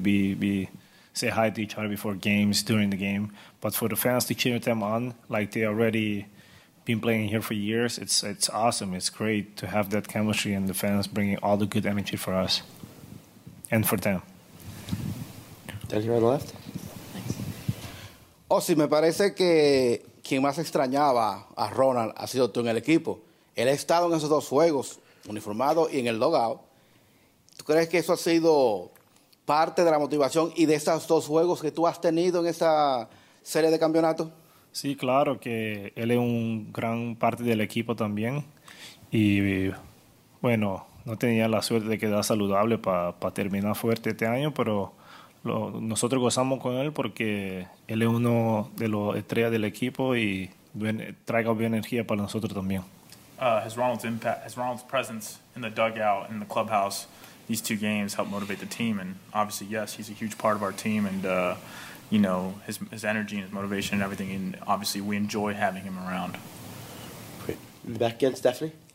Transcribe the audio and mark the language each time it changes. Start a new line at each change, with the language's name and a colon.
English: We say hi to each other before games, during the game. But for the fans to cheer them on, like they already been playing here for years, it's awesome. It's great to have that chemistry and the fans bringing all the good energy for us and for them. Daniel, here on the left. Thanks.
Spanish: Ozzie, me parece que quien más extrañaba a Ronald ha sido tú en el equipo. Él ha estado en esos dos juegos, uniformado y en el dugout. ¿Tú crees que eso ha sido parte de la motivación y de esos dos juegos que tú has tenido en esa serie de campeonato? Sí, claro, que él es un gran parte del equipo también. Y bueno, no tenía la suerte de quedar saludable para pa terminar fuerte este año, pero nosotros gozamos con él porque él es uno de los estrellas del equipo y trae buena energía para nosotros también.
English: His Ronald's presence in the dugout, in the clubhouse, these two games helped motivate the team. And obviously, yes, he's a huge part of our team. And you know, his energy and his motivation and everything, and obviously we enjoy having him around. Great. Back again, Stephanie.